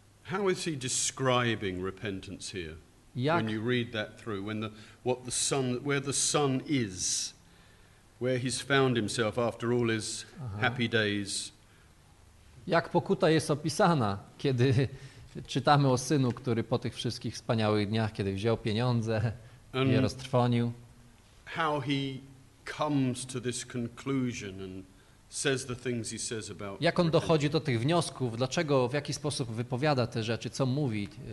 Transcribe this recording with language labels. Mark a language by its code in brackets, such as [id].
[en] How is he describing repentance here? [pl] Jak? [en] When you read that through, when the what the son, where the son is, where he's found himself after all his happy days. [pl] Jak pokuta jest opisana, kiedy czytamy o synu, który po tych wszystkich wspaniałych dniach, kiedy wziął pieniądze, [en] and [pl] je roztrwonił. [en] How he comes to this conclusion and says the things he says about. [pl] Jak on dochodzi do tych wniosków, dlaczego, w jaki sposób wypowiada te rzeczy, co mówi?